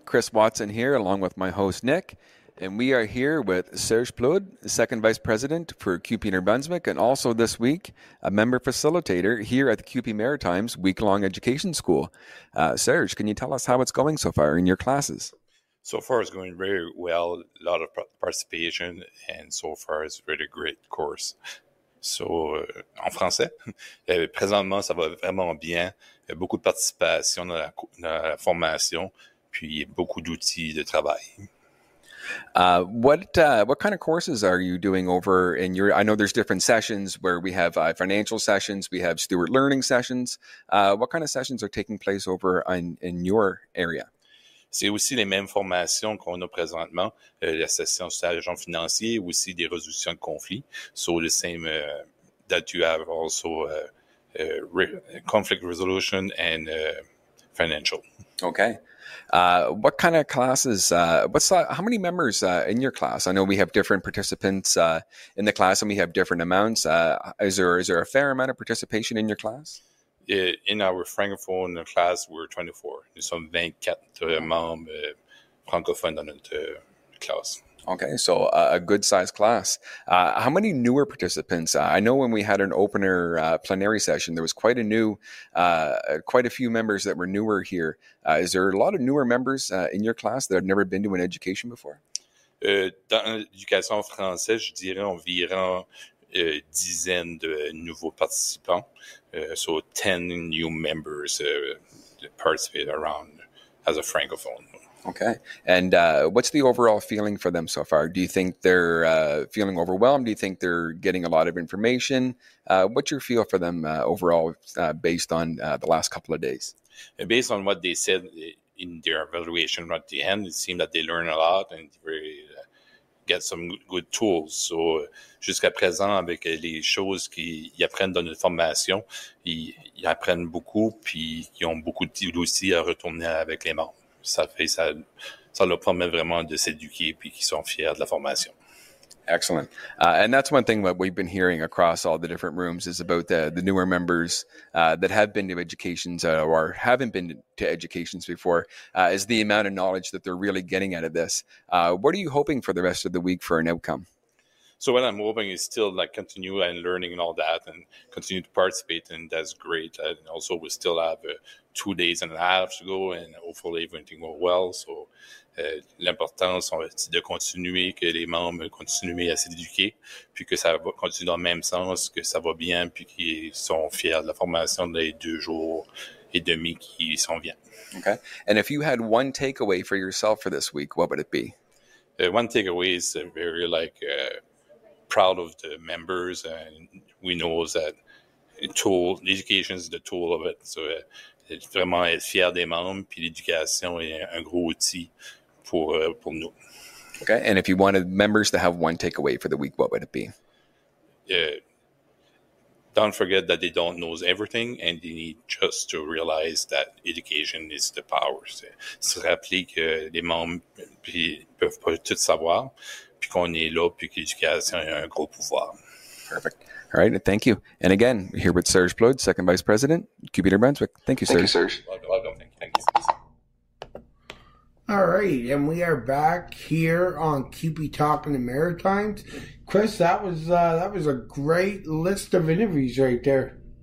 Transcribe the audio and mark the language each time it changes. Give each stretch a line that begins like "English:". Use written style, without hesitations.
English: Chris Watson here, along with my host, Nick. And we are here with Serge Plood, Second Vice President for QP New Brunswick, and also this week, a member facilitator here at the QP Maritimes week-long education school. Serge, can you tell us how it's going so far in your classes? So far, it's going very well. A lot of participation, and so far, it's a really great course.
French: So, en français, présentement, ça va vraiment bien. Il y a beaucoup de participation dans la formation, puis beaucoup d'outils de travail.
English: What kind of courses are you doing over in your, I know there's different sessions where we have financial sessions, we have Stewart Learning sessions. What kind of sessions are taking place over in your area?
French: C'est aussi les mêmes formations qu'on a présentement, la session sur l'agent financier, aussi des résolutions de conflits.
English: So the same that you have also conflict resolution and financial. Okay. What kind of classes, how many members in your class? I know we have different participants in the class and we have different amounts. Is there a fair amount of participation in your class? In our francophone class, we're 24.
French: Nous sommes 24 membres francophones dans notre class.
English: Okay, so a good size class. How many newer participants? I know when we had an opener plenary session, there was quite a few members that were newer here. Is there a lot of newer members in your class that have never been to an education before?
French: Dans l'éducation française, je dirais environ dizaine de nouveaux participants.
English: So 10 new members participated around as a francophone. Okay. And what's the overall feeling for them so far? Do you think they're feeling overwhelmed? Do you think they're getting a lot of information? What's your feel for them overall based on the last couple of days? Based on what they said in their evaluation at the end, it seemed that they learn a lot and really get some good tools.
French: So, jusqu'à présent, avec les choses qu'ils apprennent dans notre formation, ils apprennent beaucoup puis ils ont beaucoup d'outils à retourner avec les membres. Ça leur permet vraiment de s'éduquer puis qu'ils sont fiers de la formation.
English: Excellent. And that's one thing that we've been hearing across all the different rooms is about the newer members that have been to educations or haven't been to educations before is the amount of knowledge that they're really getting out of this. What are you hoping for the rest of the week for an outcome? So what I'm hoping is still like continue and learning and all that and continue to participate, and that's great. And also we still have 2 days and a half to go, and hopefully everything will go well.
French: So l'important c'est de continuer, que les membres continuent à s'éduquer, puis que ça va continuer dans le même sens, que ça va bien, puis qu'ils sont fiers de la formation des 2 jours et demi qui s'en vient.
English: Okay. And if you had one takeaway for yourself for this week, what would it be? One takeaway is very like proud of the members, and we know that education is the tool of it.
French: So vraiment être fier des membres, puis l'éducation est un gros outil pour nous.
English: Okay, and if you wanted members to have one takeaway for the week, what would it be? Don't forget that they don't know everything, and they need just to realize that education is the power.
French: Se rappeler que les membres peuvent pas tout savoir, puis qu'on est là, puis que l'éducation a un gros pouvoir.
English: Perfect. All right, thank you. And again, here with Serge Plood, Second Vice President, QP New Brunswick. Thank you, Serge. Thank you, Serge. Welcome. Thank you. All right, and we are back here on QP Talk in the Maritimes. Chris, that was a great list of interviews right there.